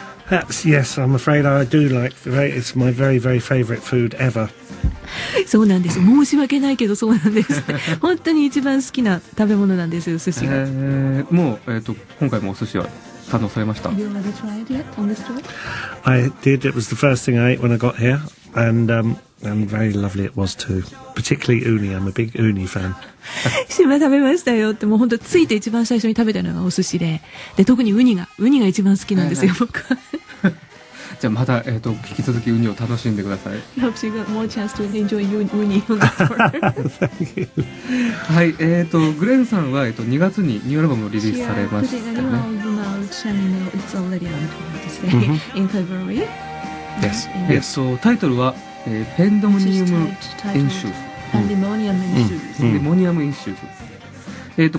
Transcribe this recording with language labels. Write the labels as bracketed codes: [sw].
[en] That's, yes, I'm afraid I do like the very, it's my very, very favorite food ever. [ja] そうなんです。申し訳ないけどそうなんです。本当に一番好きな食べ物なんですよ、寿司が。もう、今回もお寿司は堪能されました。 [en] Have you ever tried yet on this trip? I did. It was the first thing I ate when I got here. And very lovely it was too. Particularly uni. I'm a big uni fan. [ja] 島食べましたよって、もう本当ついて一番最初に食べたのがお寿司で、で特にウニが一番好きなんですよ、はいはい、僕じゃあまた、引き続きウニを楽しんでください。 [en] Hope you got more chance to enjoy ウニ Thank you. [ja] はい、グレンさんは、2月にニューアルバムをリリースされましたね。 [en] Yeah, putting a new album out, Shannon, it's already on the way to say in February. Yes, yes. [ja] タイトルはペンドモニウムインシューズ、ペンデモニアムインシューズ、